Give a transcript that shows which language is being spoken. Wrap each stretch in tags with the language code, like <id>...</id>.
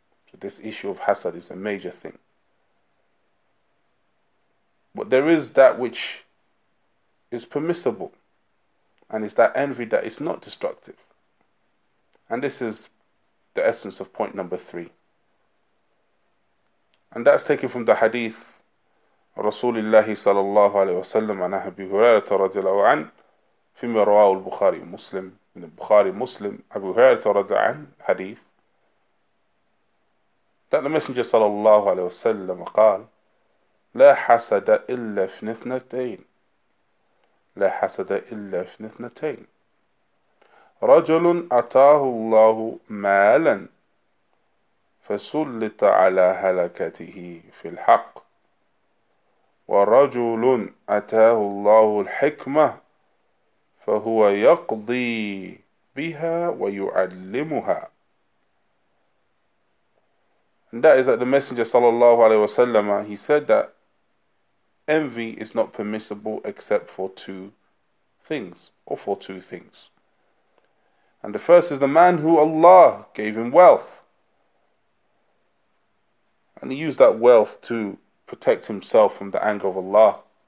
<en>So this issue of hasad is a major thing. But there is that which is permissible, and it's that envy that is not destructive. And this is the essence of point number three. And that's taken from the hadith</en> <ar>رسول الله صلى الله عليه وسلم عن أبي هريرة رضي الله عنه فيما رواه البخاري مسلم من البخاري مسلم أبي هريرة رضي الله عنه حديث</ar> <en>that the messenger</en> <ar>صلى الله عليه وسلم قال لا حسد إلا في اثنتين لا حسد إلا في اثنتين رجل أتاه الله مالا فسلط على هلكته في الحق ورجل أتاه الله الحكمة فهو يقضي بها ويعلمها.</ar> <en>And that is that the Messenger sallallahu alaihi wasallam, he said that envy is not permissible except for two things, or for two things. And the first is the man who Allah gave him wealth, and he used that wealth to protect himself from the anger of Allah.</en>